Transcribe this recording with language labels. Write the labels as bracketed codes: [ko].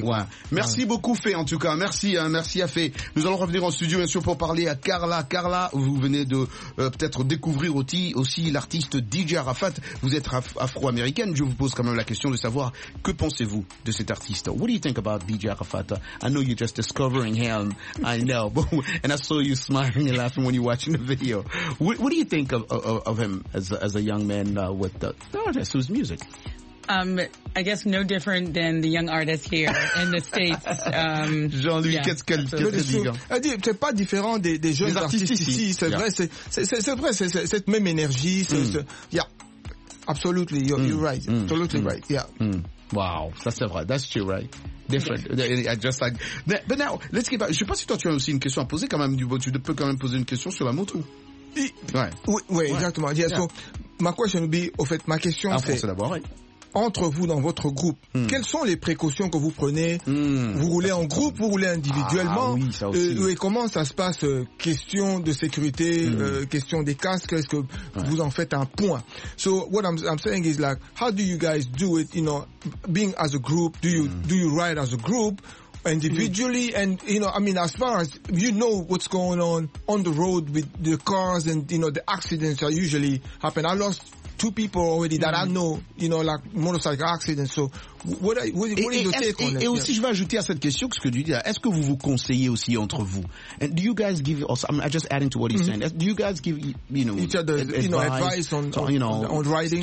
[fr] Quoi. Ouais. Merci beaucoup Fé, en tout cas. Merci, hein, merci à Fé. Nous allons revenir en studio bien sûr pour parler à Carla. Carla, vous venez de peut-être découvrir aussi l'artiste DJ Arafat. Vous êtes afro-américaine. Je vous pose quand même la question de savoir que pensez-vous de cet artiste. [en] What do you think about DJ Arafat? I know you're just discovering him. I know, and I saw you smiling and laughing when you watching the video. What do you think of him as a young man with the artist whose music? I guess no different than the young artist here in the States. [fr] Jean-Louis, yeah, qu'est-ce qu'elle dit? C'est pas différent des jeunes artistes ici. C'est vrai, c'est cette même énergie. [en] Yeah, absolutely, you're right. Absolutely right, yeah. Wow, [fr] ça c'est vrai. [en] That's true, right? Different. I just like. But now, let's get back. [fr] Je sais pas si toi tu as aussi une question à poser quand même. Tu peux quand même poser une question sur la moto. Oui, exactement. [en] Yeah. So, [fr] ma question [en] would be, [fr] au fait, ma question c'est d'abord, entre vous dans votre groupe, quelles sont les précautions que vous prenez? Vous roulez en groupe, vous roulez individuellement? Ah, oui, ça aussi. Et comment ça se passe? Question de sécurité, question des casques, est-ce que vous en faites un point? [en] So, what I'm saying is like, how do you guys do it, you know, being as a group, do you ride as a group? Individually, and you know, I mean, as far as you know what's going on the road with the cars and you know, the accidents that usually happen. I lost two people already that I know, you know, like motorcycle accidents. So, what is your take on it? [fr] Et aussi, je vais ajouter à cette question ce que tu dis là. Est-ce que vous vous conseillez aussi entre vous? [en] And do you guys give us, I'm just adding to what he's saying, do you guys give, you know, each other, advice, you know, advice on, so, you know, on riding?